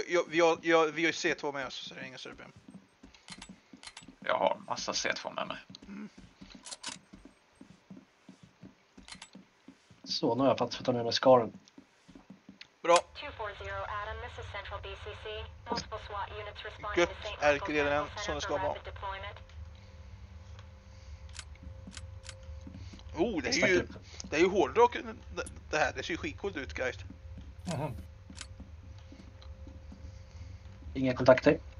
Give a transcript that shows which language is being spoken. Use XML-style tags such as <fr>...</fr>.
<sv>Vi har ju C2 med oss, så det är inga problem. Jag har massa C2 med mig. Mm. Så, nu har jag fått ta ner med skaren. Bra.</sv> <en>240 Adam, this is Central BCC. Multiple SWAT units responding to St. Michael Central Rapid Deployment.</en> <sv>Gött, är det redan som det ska vara. Oh, det är ju hårdrock det här. Det ser ju skitcoolt ut, guys. Mm-hmm. Inga kontakter.</sv>